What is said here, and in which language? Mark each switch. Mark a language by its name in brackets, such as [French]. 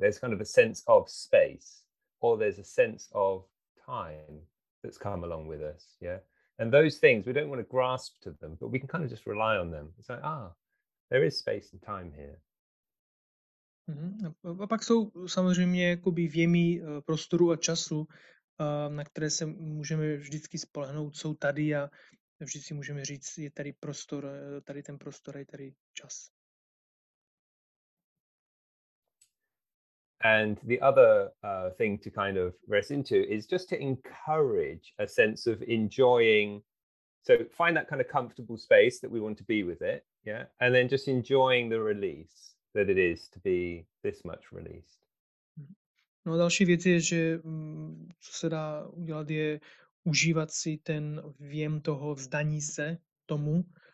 [English] There's kind of a sense of space, or there's a sense of time that's come along with us, yeah? And those things, we don't want to grasp to them, but we can kind of just rely on them. It's like, there is space and time here. [Czech] A pak jsou samozřejmě jakoby vjemí prostoru a času, na které se můžeme vždycky spolehnout, jsou tady a vždycky můžeme říct, je tady prostor, tady ten prostor a je tady čas. [English] And the other thing to kind of rest into is just to encourage a sense of enjoying. So find that kind of comfortable space that we want to be with it, yeah? And then just enjoying the release that it is to be this much released. [Czech] No a další věc je, že co se dá udělat, je užívat si ten vjem toho vzdání se tomu.